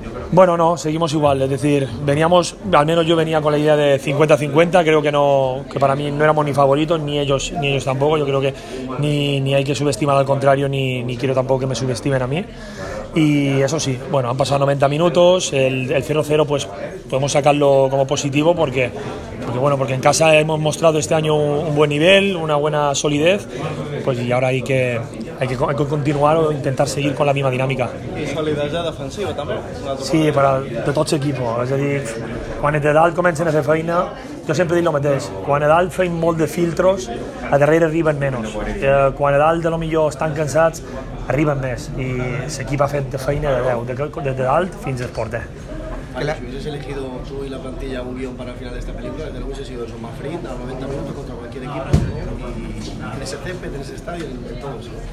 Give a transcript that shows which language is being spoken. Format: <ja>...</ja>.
<es>Bueno, no, seguimos igual, es decir, veníamos, al menos yo venía con la idea de 50-50, creo que no, que para mí no éramos ni favoritos, ni ellos tampoco, yo creo que ni hay que subestimar al contrario, ni quiero tampoco que me subestimen a mí, y eso sí, bueno, han pasado 90 minutos, el 0-0 pues podemos sacarlo como positivo porque en casa hemos mostrado este año un buen nivel, una buena solidez, pues y ahora hay que continuar o intentar seguir con la misma dinámica.</es> <ca>I solidesa defensiva també? Sí, però de tots equipos. És a dir, quan de dalt comencen a fer feina, jo sempre dic el mateix, quan a dalt feim molt de filtros, a darrere arriben menys. Quan a dalt de lo millor estan cansats, arriben més. I l'equip ha fet de feina de 10, des de dalt fins al porter.</ca> <es>Si hubieses elegido tú y la plantilla un guión para el final de esta película, desde luego hubiese sido eso, más frío, a 90 minutos contra cualquier equipo, en ese tempe, en ese estadio, en todos.</es>